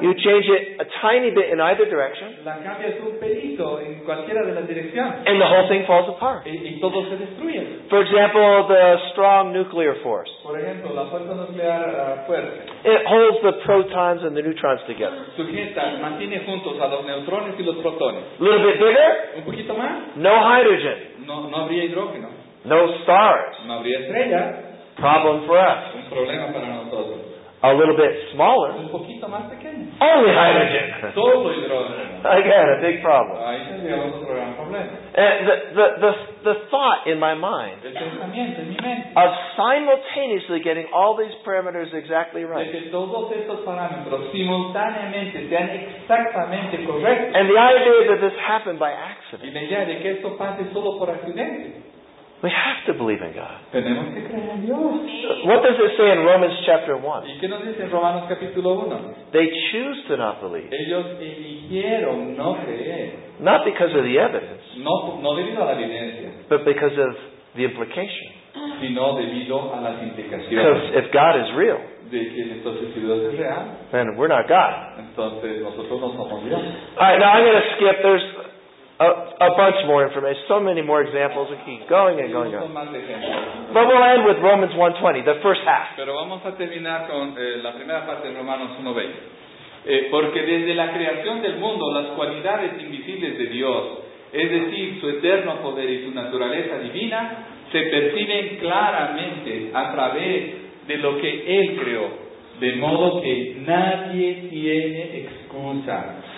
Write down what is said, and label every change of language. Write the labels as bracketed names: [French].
[English] You change it a tiny bit in either direction, [Spanish] la cambias un pelito en cualquiera de las direcciones, [English] and the whole thing falls apart. [Spanish] Y todo se destruye. [English] For example, the strong nuclear force. [Spanish] Por ejemplo, la fuerza nuclear fuerte. [English] It holds the protons and the neutrons together. [Spanish] Sujeta, mantiene juntos a los neutrones y los protones. [English] A little bit bigger. [Spanish] Un poquito más. [English] No hydrogen. [Spanish] No habría hidrógeno. [English] No stars. [Spanish] No habría estrella. [English] Problem for us. [Spanish] Un problema para nosotros. [English] A little bit smaller. [Spanish] Un poquito más pequeño. [English] Only hydrogen. [Spanish] Todo hidrógeno. [English] Again, a big problem. [Spanish] Ahí tendríamos otro gran problema. [English] And the thought in my mind of simultaneously getting all these parameters exactly right, [Spanish] de que todos estos parámetros simultáneamente sean exactamente correctos, [English] and the idea that this happened by accident, [Spanish] y la idea de que esto pase solo por accidente, [English] we have to believe in God. [Spanish] Tenemos que creer en Dios. [English] What does it say in Romans chapter 1? [Spanish] ¿Y qué nos dice en Romanos capítulo 1? [English] They choose to not believe. [Spanish] Ellos eligieron no creer. [English] Not because of the evidence. [Spanish] No debido a la evidencia. [English] But because of the implication. [Spanish] Sino debido a las implicaciones. [English] Because if God is real, [Spanish] de que entonces, si Dios es real, [English] then we're not God. [Spanish] Entonces, nosotros no somos Dios. [English] All right, now I'm going to skip. There's a bunch more information, so many more examples, and keep going and going. But we'll end with Romans 1:20, the first half. [Spanish] Pero vamos a terminar con la primera parte de Romanos 1:20. Porque desde la creación del mundo, las cualidades invisibles de Dios, es decir, su eterno poder y su naturaleza divina, se perciben claramente a través de lo que Él creó, de modo que nadie tiene excusa.